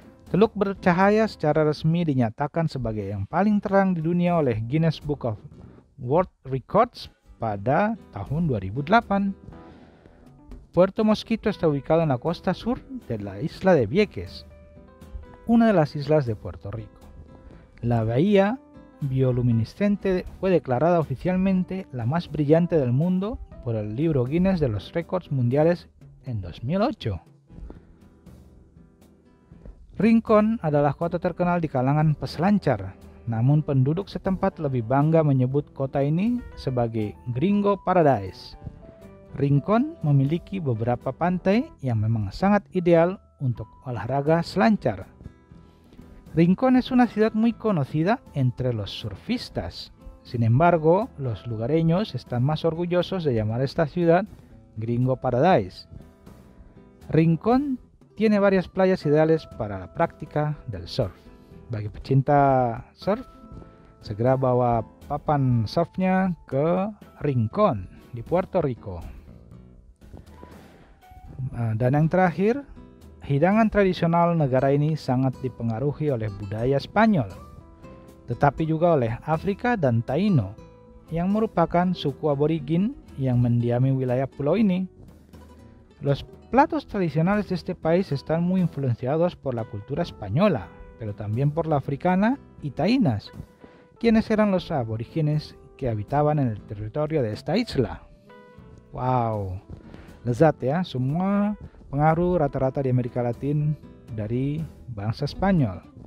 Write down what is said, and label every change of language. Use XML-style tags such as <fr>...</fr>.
<id>Teluk bercahaya secara resmi dinyatakan sebagai yang paling terang di dunia oleh Guinness Book of World Records pada tahun 2008.</id> <es>Puerto Mosquito está ubicado en la costa sur de la isla de Vieques, una de las islas de Puerto Rico. La bahía bioluminiscente fue declarada oficialmente la más brillante del mundo por el libro Guinness de los Récords Mundiales en 2008.</es> <id>Rincón adalah kota terkenal di kalangan peselancar, namun penduduk setempat lebih bangga menyebut kota ini sebagai Gringo Paradise. Rincon memiliki beberapa pantai yang memang sangat ideal untuk olahraga selancar.</id> <es>Rincon es una ciudad muy conocida entre los surfistas. Sin embargo, los lugareños están más orgullosos de llamar esta ciudad Gringo Paradise. Rincon tiene varias playas ideales para la práctica del surf.</es> <id>Bagi pecinta surf, segera bawa papan surfnya ke Rincon di Puerto Rico. Dan yang terakhir, hidangan tradisional negara ini sangat dipengaruhi oleh budaya Spanyol, tetapi juga oleh Afrika dan Taino, yang merupakan suku aborigin yang mendiami wilayah pulau ini.</id> <es>Los platos tradicionales de este país están muy influenciados por la cultura española, pero también por la africana y taínas, quienes eran los aborígenes que habitaban en el territorio de esta isla. ¡Wow!</es> <id>Lezat ya, semua pengaruh rata-rata di Amerika Latin dari bangsa Spanyol.</id>